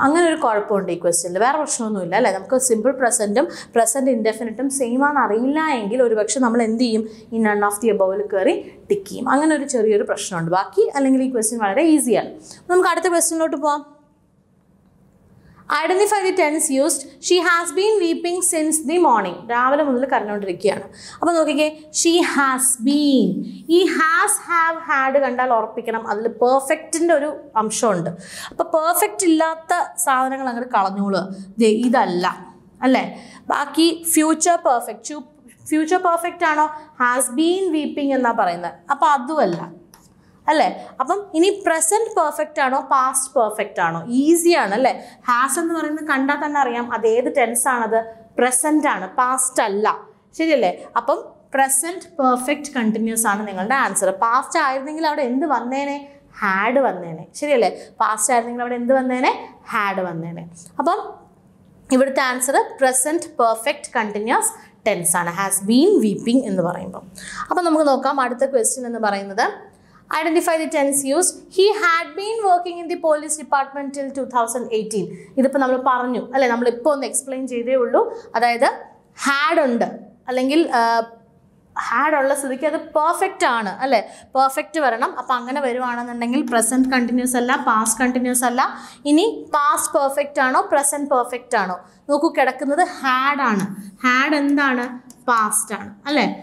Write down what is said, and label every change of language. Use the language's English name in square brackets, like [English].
[Malayalam] അങ്ങനെ ഒരു കുഴപ്പമുണ്ട് ഈ ക്വസ്റ്റ്യനിൽ, വേറെ പ്രശ്നമൊന്നുമില്ല, അല്ലേ? നമുക്ക് സിമ്പിൾ പ്രസൻറ്റും പ്രസൻറ്റ് ഇൻഡെഫിനിറ്റും സെയിം ആണെന്ന് അറിയില്ല എങ്കിൽ ഒരു പക്ഷേ നമ്മൾ എന്ത് ചെയ്യും? ഈ നൺ ഓഫ് ദി അബവ് കയറി ടിക്ക് ചെയ്യും. അങ്ങനെ ഒരു ചെറിയൊരു പ്രശ്നമുണ്ട്. ബാക്കി അല്ലെങ്കിൽ ഈ ക്വസ്റ്റ്യൻ വളരെ ഈസിയാണ്. നമുക്ക് അടുത്ത ക്വസ്റ്റ്യനിലോട്ട് പോവാം. [English] Identify the tense used. She has been weeping since the morning. [Malayalam] രാവിലെ മുതൽ കരഞ്ഞുകൊണ്ടിരിക്കുകയാണ്. അപ്പോൾ നോക്കിക്കേ, ഷി ഹാസ് ബീൻ. ഈ ഹാസ് ഹാവ് ഹാഡ് കണ്ടാൽ ഉറപ്പിക്കണം അതിൽ പെർഫെക്റ്റിൻ്റെ ഒരു അംശമുണ്ട്. അപ്പോൾ പെർഫെക്റ്റ് ഇല്ലാത്ത സാധനങ്ങൾ അങ്ങനെ കളഞ്ഞോളുക, ഇതല്ല, അല്ലേ? ബാക്കി ഫ്യൂച്ചർ പെർഫെക്റ്റ്, ഫ്യൂച്ചർ പെർഫെക്റ്റ് ആണോ ഹാസ് ബീൻ വീപ്പിംഗ് എന്നാണ് പറയുന്നത്? അപ്പോൾ അതുമല്ല, അല്ലേ? അപ്പം ഇനി പ്രസൻറ്റ് പെർഫെക്റ്റ് ആണോ പാസ്റ്റ് പെർഫെക്റ്റ് ആണോ? ഈസിയാണ്, അല്ലേ? ഹാസ് എന്ന് പറയുന്നത് കണ്ടാൽ തന്നെ അറിയാം അത് ഏത് ടെൻസ് ആണത്, പ്രസൻ്റ് ആണ്, പാസ്റ്റ് അല്ല, ശരിയല്ലേ? അപ്പം പ്രസൻറ്റ് പെർഫെക്റ്റ് കണ്ടിന്യൂസ് ആണ് നിങ്ങളുടെ ആൻസർ. പാസ്റ്റ് ആയിരുന്നെങ്കിൽ അവിടെ എന്ത് വന്നേനെ? ഹാഡ് വന്നേനെ, ശരിയല്ലേ? പാസ്റ്റ് ആയിരുന്നെങ്കിൽ അവിടെ എന്ത് വന്നേനെ? ഹാഡ് വന്നേനെ. അപ്പം ഇവിടുത്തെ answer present perfect continuous tense ആണ്, ഹാസ് ബീൻ വീപ്പിംഗ് എന്ന് പറയുമ്പം. അപ്പം നമുക്ക് നോക്കാം അടുത്ത ക്വസ്റ്റ്യൻ എന്ന് പറയുന്നത്. [English] Identify the tense used. He had been working in the police department till 2018. [Malayalam] ഇതിപ്പോൾ നമ്മൾ പറഞ്ഞു, അല്ലേ? നമ്മളിപ്പോൾ ഒന്ന് എക്സ്പ്ലെയിൻ ചെയ്തേ ഉള്ളൂ. അതായത് ഹാഡ് ഉണ്ട്, അല്ലെങ്കിൽ ഹാഡ് ഉള്ള സ്ഥിതിക്ക് അത് പെർഫെക്റ്റ് ആണ്, അല്ലേ? പെർഫെക്റ്റ് വരണം. അപ്പോൾ അങ്ങനെ വരുവാണെന്നുണ്ടെങ്കിൽ പ്രസൻറ്റ് കണ്ടിന്യൂസ് അല്ല, പാസ്റ്റ് കണ്ടിന്യൂസ് അല്ല. ഇനി പാസ്റ്റ് പെർഫെക്റ്റ് ആണോ പ്രസൻറ്റ് പെർഫെക്റ്റ് ആണോ? നോക്കൂ, കിടക്കുന്നത് ഹാഡ് ആണ്. ഹാഡ് എന്താണ്? പാസ്റ്റ് ആണ്, അല്ലേ?